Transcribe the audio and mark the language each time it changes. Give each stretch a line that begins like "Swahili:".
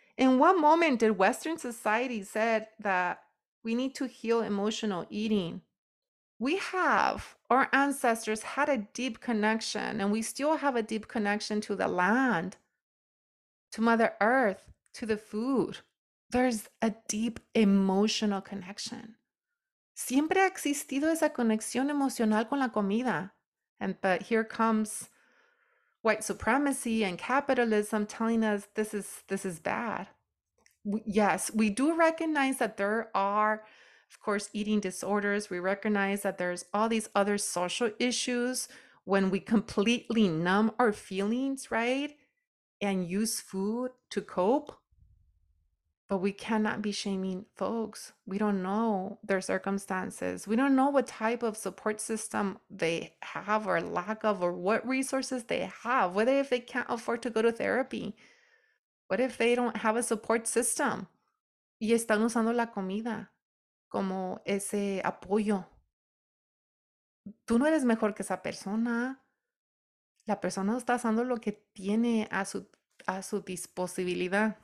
English: In what moment did Western society said that we need to heal emotional eating? We have, our ancestors had a deep connection, and we still have a deep connection to the land, to Mother Earth, to the food. There's a deep emotional connection.
Spanish: Siempre ha existido esa conexión emocional con la comida.
English: But here comes white supremacy and capitalism telling us this is bad. Yes, we do recognize that there are, of course, eating disorders. We recognize that there's all these other social issues when we completely numb our feelings, right? And use food to cope. But we cannot be shaming folks. We don't know their circumstances. We don't know what type of support system they have or lack of or what resources they have. What if they can't afford to go to therapy? What if they don't have a support system?
Spanish: Y están usando la comida como ese apoyo. Tú no eres mejor que esa persona. La persona está usando lo que tiene a su disposibilidad.